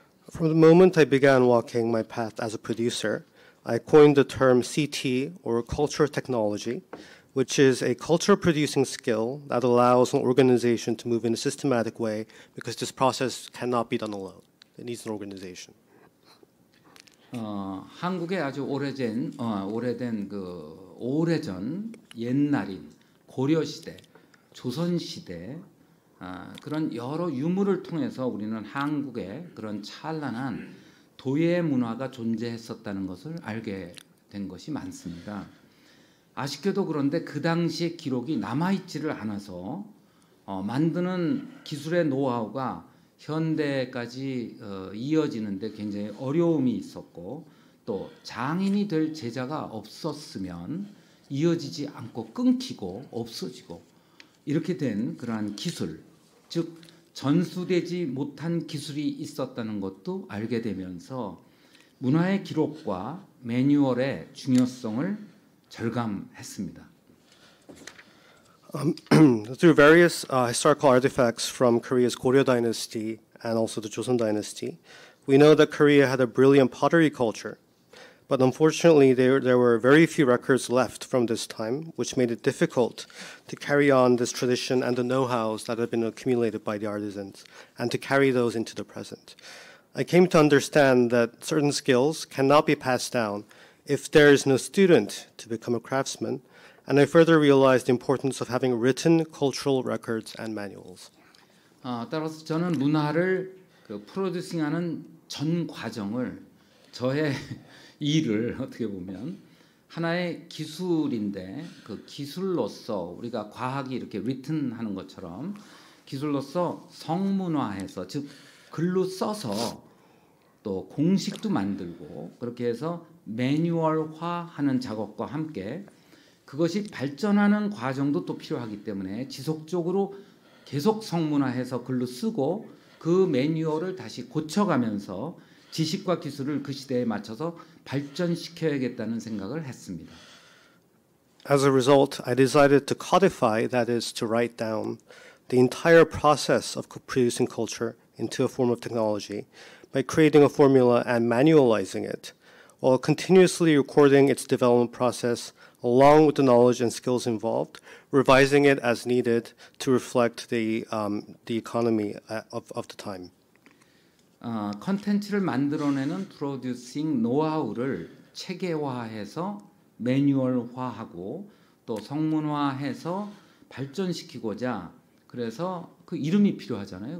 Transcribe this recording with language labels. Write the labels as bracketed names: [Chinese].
[English] From the moment I began walking my path as a producer, I coined the term CT, or culture technology, which is a culture producing skill that allows an organization to move in a systematic way because this process cannot be done alone. It needs an organization. [Korean] 한국의 아주 오래전 옛날인 고려 시대, 조선 시대 그런 여러 유물을 통해서 우리는 한국의 그런 찬란한 도예 문화가 존재했었다는 것을 알게 된 것이 많습니다. 아쉽게도 그런데 그 당시의 기록이 남아있지를 않아서 만드는 기술의 노하우가 현대까지 이어지는데 굉장히 어려움이 있었고 또 장인이 될 제자가 없었으면 이어지지 않고 끊기고 없어지고 이렇게 된 그러한 기술 즉 전수되지 못한 기술이 있었다는 것도 알게 되면서 문화의 기록과 매뉴얼의 중요성을 절감했습니다. [English] Through various historical artifacts from Korea's Goryeo dynasty and also the Joseon dynasty, we know that Korea had a brilliant pottery culture. But unfortunately, there were very few records left from this time, which made it difficult to carry on this tradition and the know-hows that had been accumulated by the artisans and to carry those into the present. I came to understand that certain skills cannot be passed down if there is no student to become a craftsman, and I further realized the importance of having written cultural records and manuals. [Korean] 따라서 저는 문화를 프로듀싱하는 전 과정을 저의 일을 어떻게 보면 하나의 기술인데 그 기술로서 우리가 과학이 이렇게 [English] written [Korean] 하는 것처럼 기술로서 성문화해서 즉 글로 써서 또 공식도 만들고 그렇게 해서 매뉴얼화하는 작업과 함께 그것이 발전하는 과정도 또 필요하기 때문에 지속적으로 계속 성문화해서 글로 쓰고 그 매뉴얼을 다시 고쳐가면서 지식과 기술을 그 시대에 맞춰서 발전시켜야겠다는 생각을 했습니다. [English] As a result, I decided to codify, that is, to write down the entire process of producing culture into a form of technology by creating a formula and manualizing it, while continuously recording its development process along with the knowledge and skills involved, revising it as needed to reflect the economy of the time. [Korean] 콘텐츠를 만들어내는 프로듀싱 노하우를 체계화해서 매뉴얼화하고 또 성문화해서 발전시키고자 그래서 그 이름이 필요하잖아요.